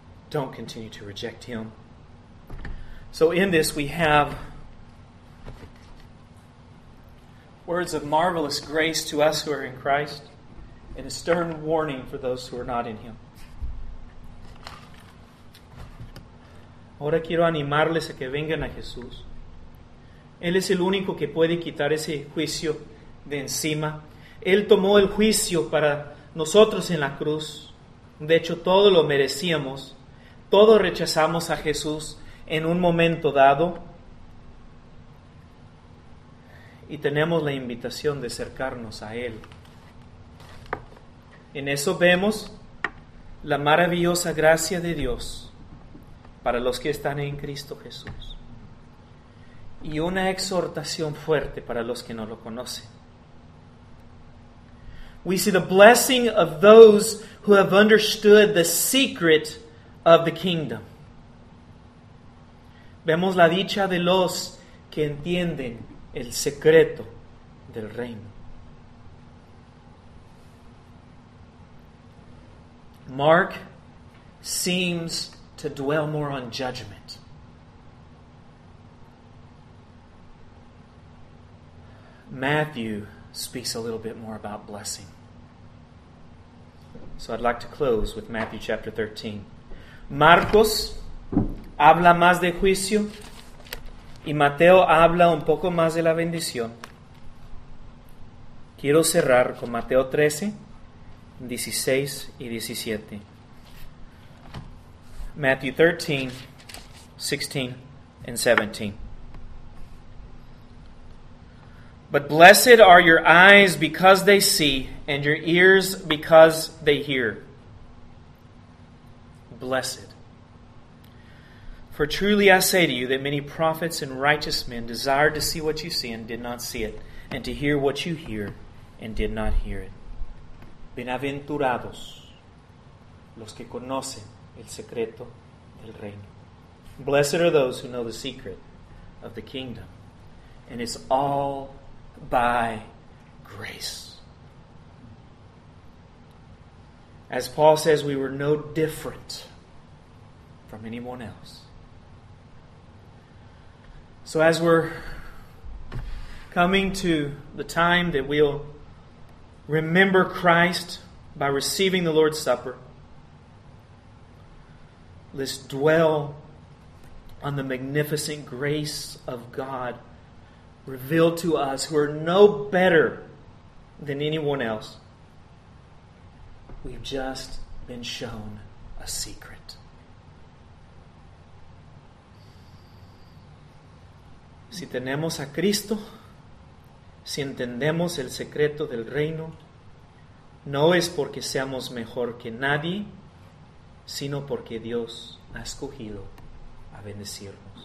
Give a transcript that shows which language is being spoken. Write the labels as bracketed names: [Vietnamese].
[English] Don't continue to reject Him. So in this we have words of marvelous grace to us who are in Christ, and a stern warning for those who are not in Him. [Spanish] Ahora quiero animarles a que vengan a Jesús. Él es el único que puede quitar ese juicio de encima. Él tomó el juicio para nosotros en la cruz. De hecho, todo lo merecíamos. Todos rechazamos a Jesús en un momento dado. Y tenemos la invitación de acercarnos a Él. En eso vemos la maravillosa gracia de Dios para los que están en Cristo Jesús. Y una exhortación fuerte para los que no lo conocen. [English] We see the blessing of those who have understood the secret of the kingdom. [Spanish] Vemos la dicha de los que entienden el secreto del reino. [English] Mark seems to dwell more on judgment. Matthew speaks a little bit more about blessing. So I'd like to close with Matthew chapter 13. [Spanish] Marcos habla más de juicio. Y Mateo habla un poco más de la bendición. Quiero cerrar con Mateo 13, 16 y 17. [English] Matthew 13, 16 and 17. But blessed are your eyes because they see, and your ears because they hear. Blessed. For truly I say to you that many prophets and righteous men desired to see what you see and did not see it, and to hear what you hear and did not hear it. [Spanish] Bienaventurados los que conocen el secreto del reino. [English] Blessed are those who know the secret of the kingdom. And it's all by grace. As Paul says, we were no different from anyone else. So as we're coming to the time that we'll remember Christ by receiving the Lord's Supper, let's dwell on the magnificent grace of God revealed to us who are no better than anyone else. We've just been shown a secret. [Spanish] Si tenemos a Cristo, si entendemos el secreto del reino, no es porque seamos mejor que nadie, sino porque Dios ha escogido a bendecirnos.